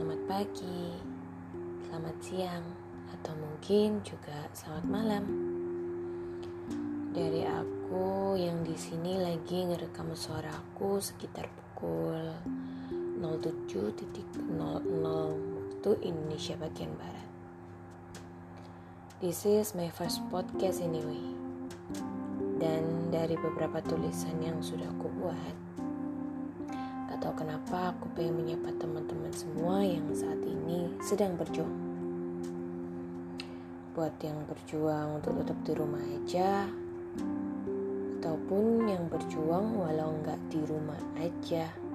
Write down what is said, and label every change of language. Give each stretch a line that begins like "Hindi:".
Indonesian: pagi, selamat siang, atau mungkin juga selamat malam. Dari aku yang di sini lagi ngerekam suaraku sekitar pukul 07.00 waktu Indonesia bagian barat.
English: This is my first podcast anyway.
Indonesian: Dan dari beberapa tulisan yang sudah aku buat, atau kenapa aku pengen menyapa teman-teman semua yang saat ini sedang berjuang. Buat yang berjuang untuk tetap di rumah aja, ataupun yang berjuang walau enggak di rumah aja.